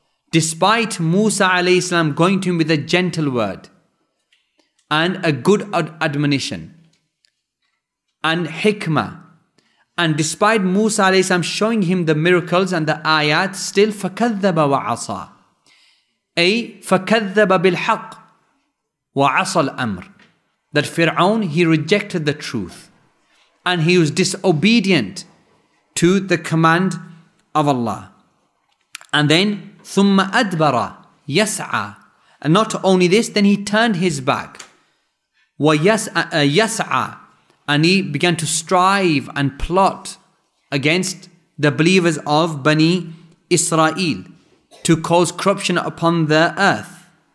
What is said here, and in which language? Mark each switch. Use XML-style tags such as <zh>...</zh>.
<en>Despite Musa alayhi salam going to him with a gentle word and a good admonition and hikmah, and despite Musa alayhi salam showing him the miracles and the ayat, still</en> <ar>فَكَذَّبَ وَعَصَىٰ. أي فَكَذَّبَ بِالْحَقِّ وَعَصَى الْأَمْرِ.</ar> <en>That Fir'aun, he rejected the truth and he was disobedient to the command of Allah. And then</en> <ar>ثُمَّ أَدْبَرَ يَسْعَى.</ar> <en>And not only this, then he turned his back.</en> <ar>وَيَسْعَى.</ar> <en>And he began to strive and plot against the believers of Bani Israel to cause corruption upon the earth.</en>